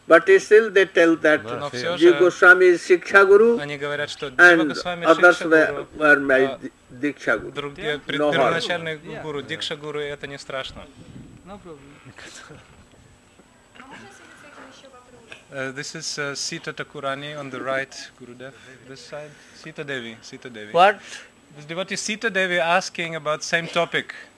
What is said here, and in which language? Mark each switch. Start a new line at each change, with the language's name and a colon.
English: But still they tell that Jiva Goswami is shiksha guru. And others were my diksha guru.
Russian: Первоначальный гуру, дикша гуру, это не страшно.
English: This is Sita Thakurani on the right, Gurudev, this side. Sita Devi, Sita Devi. What? This devotee Sita Devi asking about the same topic.